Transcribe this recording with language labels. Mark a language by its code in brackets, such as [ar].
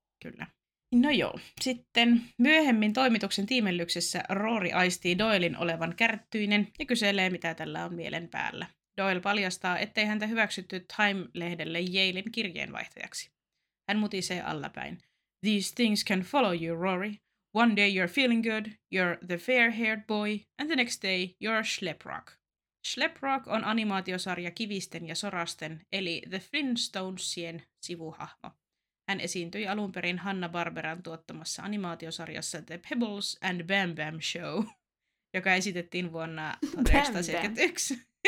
[fi] Kyllä. No joo. Sitten myöhemmin toimituksen tiimellyksessä Rory aistii Doylen olevan kärttyinen ja kyselee, mitä tällä on mielen päällä. Doyle paljastaa, ettei häntä hyväksytty Time-lehdelle Yalen kirjeenvaihtajaksi. Hän mutisee allapäin. [en] These things can follow you, Rory. One day you're feeling good, you're the fair-haired boy, and the next day you're Schleprock. [fi] Schleprock on animaatiosarja Kivisten ja Sorasten, eli The Flintstonesien sivuhahmo. Hän esiintyi alun perin Hanna-Barberan tuottamassa animaatiosarjassa The Pebbles and Bam Bam Show, joka esitettiin vuonna 1971.